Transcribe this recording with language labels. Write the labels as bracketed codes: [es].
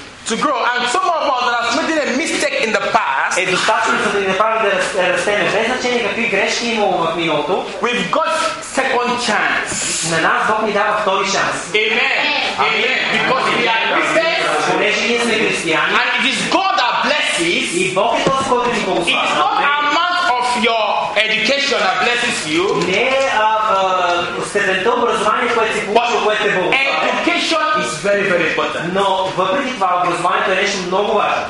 [en] to grow, and some of us that have made a mistake in the past. [bg] Е достатъчно за да ни направи да растеме. Без значение какви грешки имало в миналото. [en] We've got second chance. [bg] На нас Бог ни дава втори шанс. [en] Amen. Amen. Because we are Christians. [bg] Понеже ние сме християни. [en] And it is God that blesses. [bg] И Бог е този, който ни благословява. [en] It's not a month of your education that blesses you. [bg] Не степента образование, което си получил, което е благословено. [en] Education is very, very important. [bg] Но въпреки това образованието е нещо много важно.